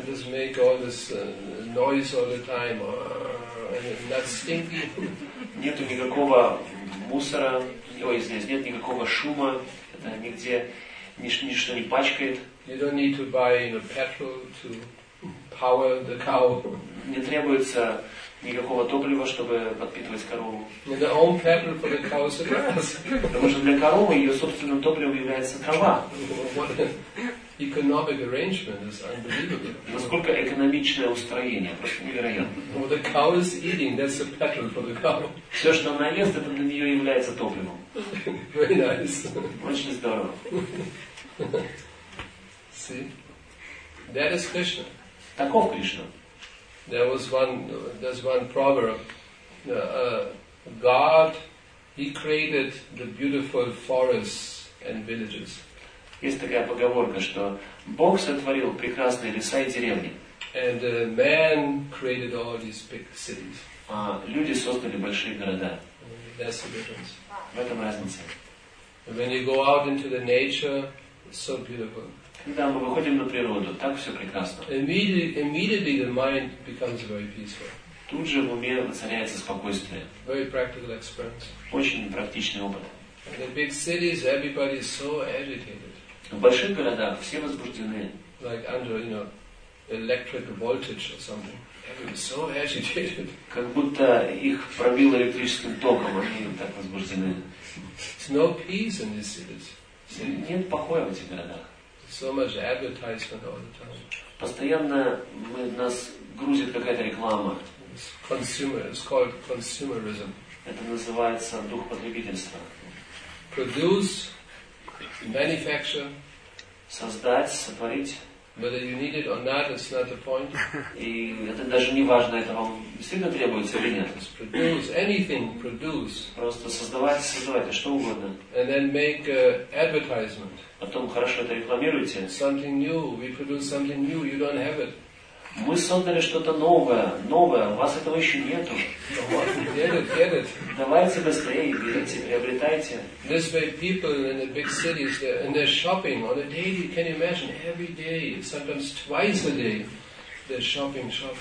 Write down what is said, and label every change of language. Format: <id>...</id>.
<en>Just make all this noise all the time. Not stinky.</en> <ru>Нету никакого мусора. Ой, здесь нет никакого шума. Это нигде ничто не пачкает.</ru> <en>You don't need to buy, you know, petrol to power the cow.</en> <ru>Не требуется никакого топлива, чтобы подпитывать корову.</ru> <en>The own petrol for the cow is grass.</en> <ru>Потому что для коровы ее собственным топливом является трава.</ru> <en>Economic arrangement is unbelievable.</en> <ru>Насколько экономичное устроение, просто невероятно.</ru> <en>The cow is eating, that's the petrol for the cow.</en> <ru>Все, что она ест, это для нее является топливом.</ru> <en>Very nice.</en> <ru>Очень здорово.</ru> <en>See? That is Krishna.</en> <ru>Таков Кришна.</ru> <en>There was one, there's one proverb. God, He created the beautiful forests and villages.</en> <ru>Есть такая поговорка, что Бог сотворил прекрасные леса и деревни.</ru> <en>And man created all these big cities.</en> <ru>А люди создали большие города.</ru> <en>That's the difference.</en> <ru>В этом разница.</ru> <en>And when you go out into the nature, so beautiful.</en> <ru>Когда мы выходим на природу, так все прекрасно.</ru> <en>Immediately the mind becomes very peaceful.</en> <ru>Тут же в уме воцаряется спокойствие.</ru> <en>Very practical experience.</en> <ru>Очень практичный опыт.</ru> <en>In the big cities, everybody is so agitated.</en> <ru>В больших городах все возбуждены.</ru> <en>Like under, you know, electric voltage or something. Everybody's so agitated.</en> <ru>Как будто их пробило электрическим током, они так возбуждены.</ru> <en>There's no peace in these cities.</en> <ru>Нет покоя в этих городах.</ru> <en>So much advertisement all the time.</en> <ru>Постоянно нас грузит какая-то реклама.</ru> <en>It's called consumerism.</en> <ru>Это называется дух потребительства.</ru> <en>Produce, manufacture.</en> <ru>Создать, сотворить.</ru> <en>Whether you need it or not, it's not the point.</en> <ru>И это даже не важно, это вам действительно требуется или нет.</ru> <en>Just produce anything, produce.</en> <ru>Просто создавайте, создавайте что угодно.</ru> <en>And then make advertisement.</en> <ru>Потом хорошо это рекламируйте.</ru> <en>Something new, we produce something new, you don't have it.</en> <ru>Мы создали что-то новое, новое, у вас этого еще нету.</ru> <en>Get it.</en> <ru>Давайте быстрее, берите, приобретайте.</ru> <en>This way people in the big cities, they're shopping on a daily, can you imagine, every day, sometimes twice a day, they're shopping.</en>